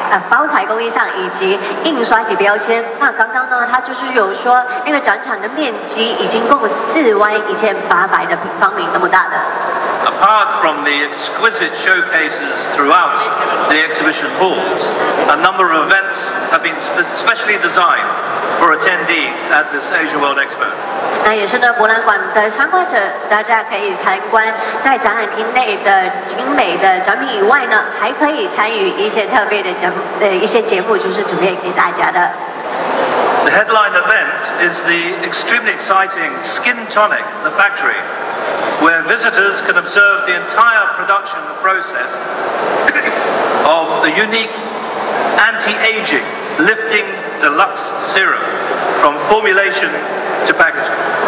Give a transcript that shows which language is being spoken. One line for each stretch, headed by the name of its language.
Chinese: 包材供应商以及印刷及标签。那刚刚呢，他就是有说那个展场的面积已经共41,800的平方米那么大的。
English: Apart from the exquisite showcases throughout the exhibition halls, a number of events have been specially designed for attendees at this Asia World Expo.
Chinese: 那也是呢，博览馆的参观者，大家可以参观在展览厅内的精美的展品以外呢，还可以参与一些特别的节目，就是准备给大家的。
English: The headline event is the extremely exciting Skin Tonic, the factory, where visitors can observe the entire production process of the unique anti-aging lifting deluxe serum from formulation. To packaging.